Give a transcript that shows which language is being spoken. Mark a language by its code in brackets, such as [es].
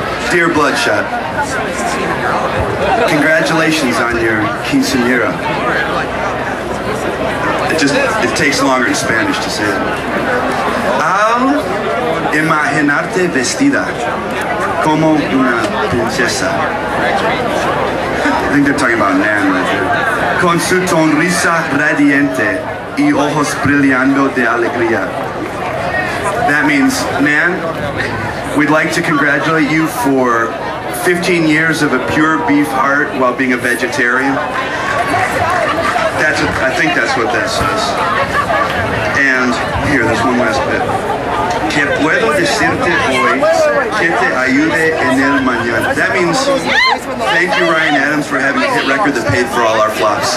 [en] Dear Bloodshot, congratulations on your quinceañera. It takes longer in Spanish to say that. [es] Al imaginarte vestida como una princesa. [en] I think they're talking about Nan right there. [es] Con su sonrisa radiante y ojos brillando de alegría. [en] That means, Nan, we'd like to congratulate you for 15 years of a pure beef heart while being a vegetarian. I think that's what that says. And here, there's one last bit. [es] Que puedo decirte hoy que te ayude en el mañana. [en] That means thank you, Ryan Adams, for having a hit record that paid for all our flops.